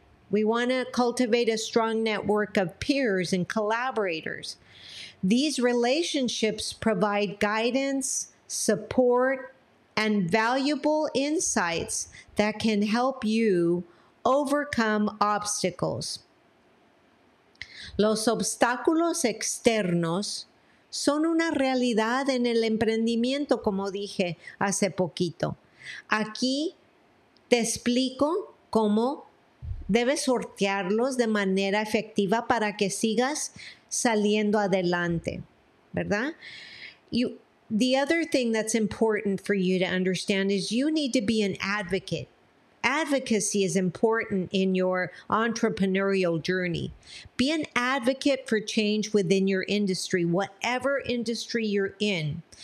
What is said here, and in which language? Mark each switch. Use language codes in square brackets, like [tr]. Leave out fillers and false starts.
[en] We want to cultivate a strong network of peers and collaborators. These relationships provide guidance, support, and valuable insights that can help you overcome obstacles. [es] Los obstáculos externos son una realidad en el emprendimiento, como dije hace poquito. Aquí te explico cómo debes sortearlos de manera efectiva para que sigas saliendo adelante, ¿verdad? [en] The other thing that's important for you to understand is you need to be an advocate. Advocacy is important in your entrepreneurial journey. Be an advocate for change within your industry, whatever industry you're in.